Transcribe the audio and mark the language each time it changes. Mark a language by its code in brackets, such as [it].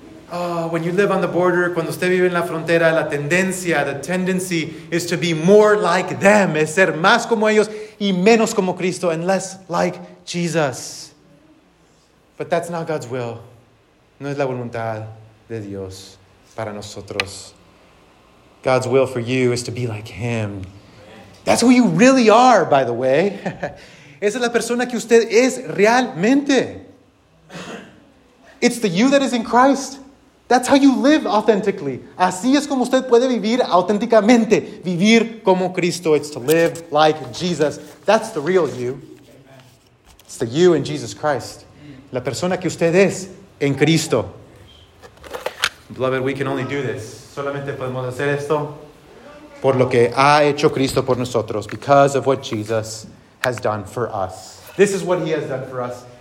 [en] Oh, when you live on the border, [es] cuando usted vive en la frontera, la tendencia, [en] the tendency [es] is to be more like them, es ser más como ellos y menos como Cristo, [en] and less like Jesus. But that's not God's will. [es] No es la voluntad de Dios para nosotros. [en] God's will for you is to be like Him. That's who you really are, by the way. [es] Esa es la persona que usted es realmente. [en] It's the you that is in Christ. That's how you live authentically. [es] Así es como usted puede vivir auténticamente. Vivir como Cristo. [en] It's to live like Jesus. That's the real you. It's the you in Jesus Christ. [es] La persona que usted es en Cristo. [en] Beloved, we can only do this. [es] Solamente podemos hacer esto. Por lo que ha hecho Cristo por nosotros. [en] Because of what Jesus has done for us. This is what He has done for us.